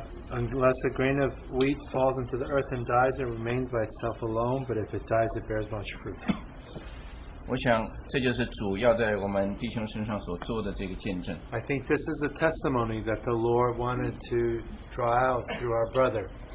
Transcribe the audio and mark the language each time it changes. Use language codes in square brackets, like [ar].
[en] Unless a grain of wheat falls into the earth and dies, it remains by itself alone, but if it dies, it bears much fruit. [zh] 我想这就是主要在我们弟兄身上所做的这个见证。 [en] I think this is a testimony that the Lord wanted to draw out through our brother.